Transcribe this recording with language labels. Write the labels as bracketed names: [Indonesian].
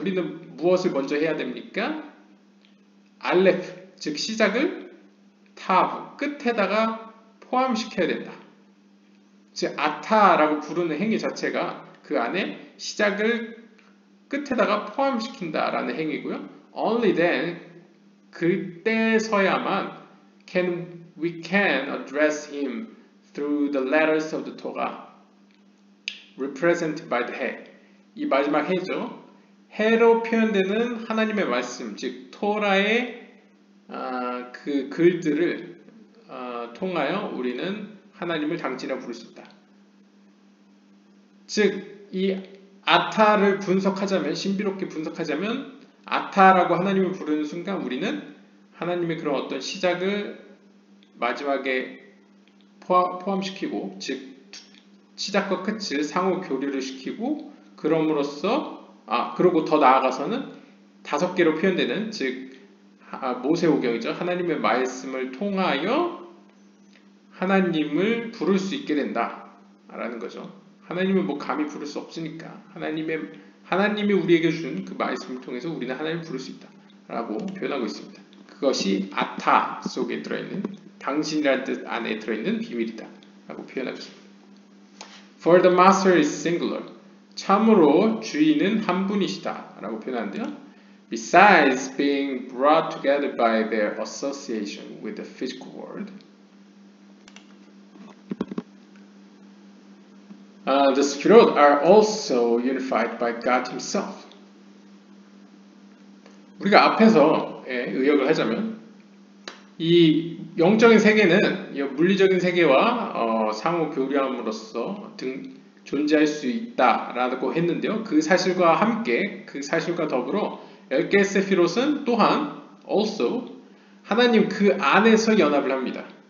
[Korean] 우리는 무엇을 먼저 해야 됩니까? 알레프 즉 시작을 타브 끝에다가 포함시켜야 된다. 즉 아타라고 부르는 행위 자체가 그 안에 시작을 끝에다가 포함시킨다라는 행위고요. [English] Only then, [Korean] 그때서야만 [English] we can address him through the letters of the Torah represented by the 해. [Korean] 이 마지막 해죠. 해로 표현되는 하나님의 말씀, 즉 토라의 그 글들을 통하여 우리는 하나님을 당진해 부를 수 있다. 즉 이 아타를 분석하자면, 신비롭게 분석하자면, 아타라고 하나님을 부르는 순간 우리는 하나님의 그런 어떤 시작을 마지막에 포함시키고, 즉 시작과 끝을 상호 교류를 시키고, 그럼으로써 그리고 더 나아가서는 다섯 개로 표현되는, 즉 모세오경이죠, 하나님의 말씀을 통하여 하나님을 부를 수 있게 된다 라는 거죠. 하나님은 뭐 감히 부를 수 없으니까 하나님이 우리에게 준 그 말씀을 통해서 우리는 하나님을 부를 수 있다 라고 표현하고 있습니다. 그것이 아타 속에 들어있는, 당신이란 뜻 안에 들어있는 비밀이다 라고 표현하고 있습니다. [English] For the master is singular. [Korean] 참으로 주인은 한 분이시다 라고 표현하는데요. [English] Besides being brought together by their association with the physical world, the Sefirot are also unified by God Himself. [Korean] 우리가 앞에서 의역을 하자면, 이 영적인 세계는 이 물리적인 세계와 상호 교류함으로써 존재할 수 있다라고 했는데요. 그 사실과 함께, 그 사실과 더불어 10개의 세피롯은 또한 also 하나님 그 안에서 연합을 합니다.